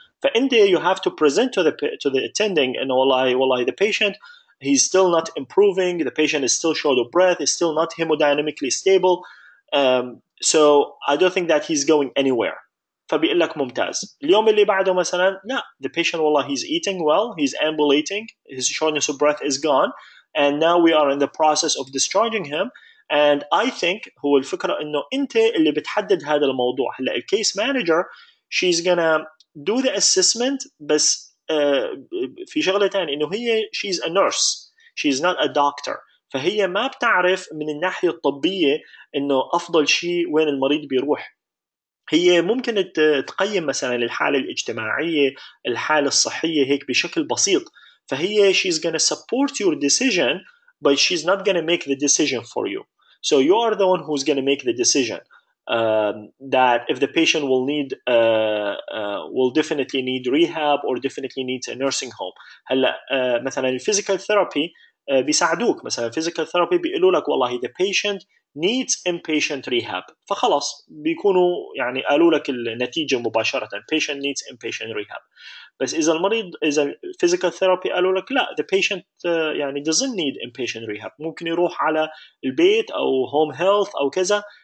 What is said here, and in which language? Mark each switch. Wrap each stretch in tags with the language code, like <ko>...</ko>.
<ar>فإن دي</ar> <en>you have to present to the attending and والله the patient he's still not improving, the patient is still short of breath, is still not hemodynamically stable, so I don't think that he's going anywhere.</en> <ar>فبيقول لك ممتاز. اليوم اللي بعده مثلا لا</ar> <en>the patient والله he's eating well, he's ambulating, his shortness of breath is gone, and now we are in the process of discharging him. And I think</en> <ar>هو الفكرة إنه أنت اللي بتحدد هذا الموضوع. هلا ال</ar> <en>case manager she's gonna do the assessment,</en> <ar>بس في شغلة تانية إنه هي</ar> <en>she's a nurse, she's not a doctor.</en> <ar>فهي ما بتعرف من الناحية الطبية إنه أفضل شيء وين المريض بيروح. هي ممكن تقيم مثلا الحالة الاجتماعية، الحالة الصحية هيك بشكل بسيط.</ar> <en>فهي she's gonna support your decision, but she's not gonna make the decision for you. So you are the one who's gonna make the decision that if the patient will need will definitely need rehab or definitely needs a nursing home.</en> <ar>هلا مثلا الphysical therapy بيساعدوك، مثلا physical therapy بيقولوا لك والله</ar> <en>the patient needs inpatient rehab،</en> <ar>فخلص بيكونوا يعني قالوا لك النتيجة مباشرة</ar> <en>patient needs inpatient rehab.</en> <ar>بس إذا المريض إذا physical therapy قالوا لك لا the patient يعني</ar> <en>doesn't need inpatient rehab،</en> <ar>ممكن يروح على البيت أو home health أو كذا.</ar>